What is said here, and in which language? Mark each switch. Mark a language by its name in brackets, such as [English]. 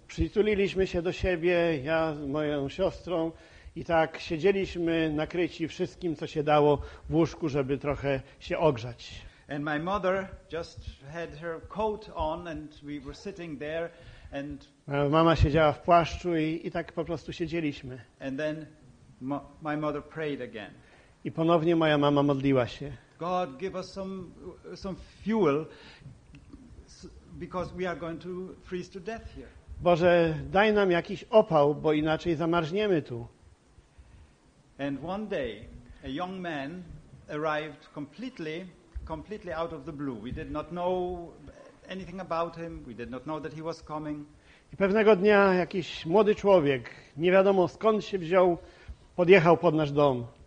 [Polish] Przytuliliśmy się do siebie, ja z moją siostrą, i tak siedzieliśmy nakryci wszystkim, co się dało w łóżku, żeby trochę się ogrzać. [English] And my mother just had her coat on and we were sitting there and [Polish] mama siedziała w płaszczu i tak po prostu siedzieliśmy. [English] And then my mother prayed again. [Polish] I ponownie moja mama modliła się. [English] God give us some fuel because we are going to freeze to death here. [Polish] Boże, daj nam jakiś opał, bo inaczej zamarzniemy tu. [English] And one day a young man arrived completely out of the blue. We did not know anything about him. We did not know that he was coming. [Polish] I pewnego dnia jakiś młody człowiek, nie wiadomo skąd się wziął, podjechał pod nasz dom.